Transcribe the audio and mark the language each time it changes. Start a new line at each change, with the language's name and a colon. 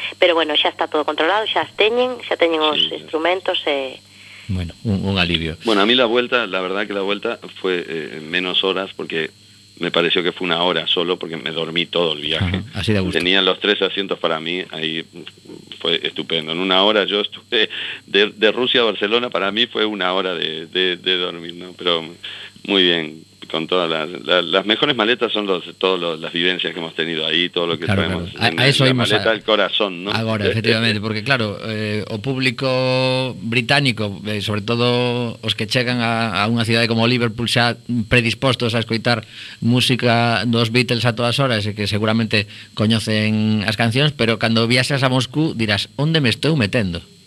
Galician: Pero bueno, xa está todo controlado, xa teñen os instrumentos e...
Spanish: Bueno, un alivio. Bueno, a mí la vuelta, la verdad que la vuelta fue menos horas, porque me pareció que fue una hora solo, porque me dormí todo el viaje. Ajá, así de gusto. Tenía los 3 asientos para mí, ahí fue estupendo. En una hora yo estuve de Rusia a Barcelona, para mí fue una hora de dormir, ¿no? Pero muy bien, con todas las mejores maletas son todas las vivencias que hemos tenido ahí, todo lo que sabemos. Claro. A eso maleta, el corazón, ¿no?
Galician: Ahora, efectivamente, porque claro, o público británico, sobre todo os que chegan a unha cidade como Liverpool, xa predispostos a escoitar música dos Beatles a todas horas, e que seguramente coñecen as cancións, pero cando viaxas a Moscú dirás, onde me estou metendo?